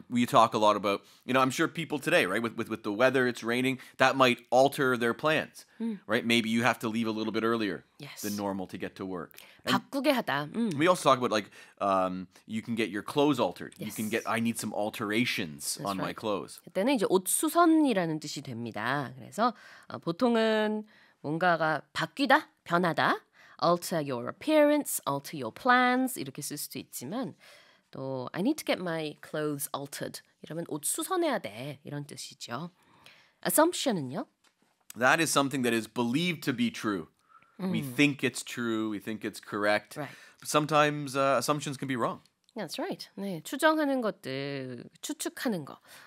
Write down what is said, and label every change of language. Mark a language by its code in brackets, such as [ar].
[en] We talk a lot about, you know, I'm sure people today, right, with the weather, it's raining, that might alter their plans, right? Maybe you have to leave a little bit earlier than normal to get to work. [ko] 바꾸게 하다. [en] We also talk about, like, you can get your clothes altered. Yes. You can get, I need some alterations That's on right. my clothes. [ko] 그때는 이제 옷 수선이라는 뜻이 됩니다. 그래서 보통은 뭔가가 바뀌다, 변하다, [en] alter your appearance, alter your plans [ko] 이렇게 쓸 수도 있지만 또 [en] I need to get my clothes altered [ko] 이러면 옷 수선해야 돼 이런 뜻이죠. Assumption은요? [en] That is something that is believed to be true. We think it's true, we think it's correct. Right. Sometimes assumptions can be wrong. That's right. [ko] 네, 추정하는 것들, 추측하는 거.